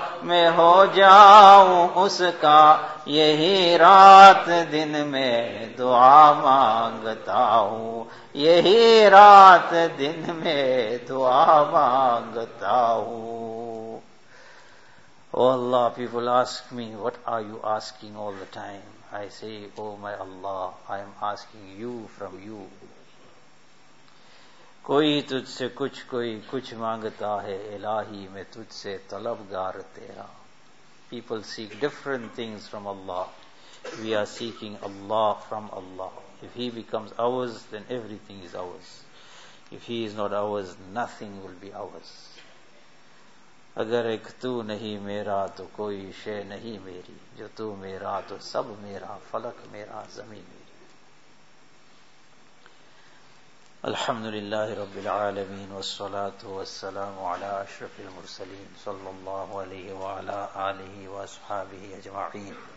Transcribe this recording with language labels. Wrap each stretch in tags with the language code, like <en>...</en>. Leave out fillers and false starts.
<ur>میں ہو جاؤں اس کا یہی رات دن میں دعا مانگتا ہوں یہی رات دن میں دعا مانگتا ہوں</ur> <en>Oh Allah, people ask me, what are you asking all the time? I say, Oh my Allah, I am asking you from you.</en> <ur>کوئی تجھ سے کچھ کوئی کچھ مانگتا ہے الہی میں تجھ سے طلبگار تیرا</ur> <en>People seek different things from Allah. We are seeking Allah from Allah. If He becomes ours, then everything is ours. If He is not ours, nothing will be ours.</en> <ur>اگر ایک تو نہیں میرا تو کوئی شے نہیں میری جو تو میرا تو سب میرا فلک میرا زمین میری</ur> <ar>الحمدللہ رب العالمین والصلاة والسلام علی اشرف المرسلین صلی اللہ علیہ وعلی آلہ واصحابہ اجمعین</ar>